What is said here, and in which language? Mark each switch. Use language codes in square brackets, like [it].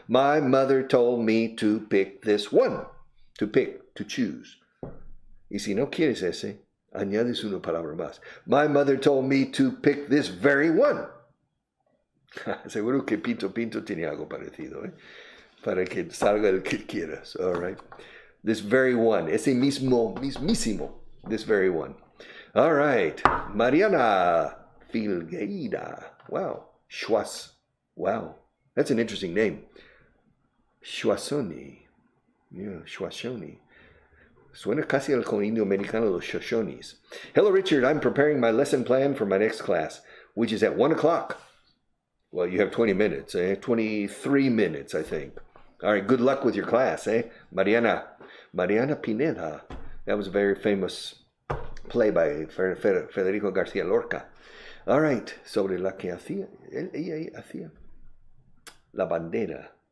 [en] My mother told me to pick this one. To pick, to choose. [es] Y si no quieres ese, añades una palabra más. [en] My mother told me to pick this very one. [es] Seguro que Pinto Pinto tiene algo parecido, ¿eh? Para que salga el que quieras, [en] all right? This very one, [es] ese mismo, mismísimo, [en] this very one. All right, Mariana Filgueira. Wow, Schwass, wow, that's an interesting name. Schwassoni, yeah, Schwassoni. [es] Suena casi al con indio americano los Shoshones. [en] Hello, Richard, I'm preparing my lesson plan for my next class, which is at 1 o'clock. Well, you have 20 minutes, eh? 23 minutes, I think. All right, good luck with your class, eh? Mariana Pineda. That was a very famous play by Federico García Lorca. All right, [es] sobre la que hacía, ella hacía la bandera.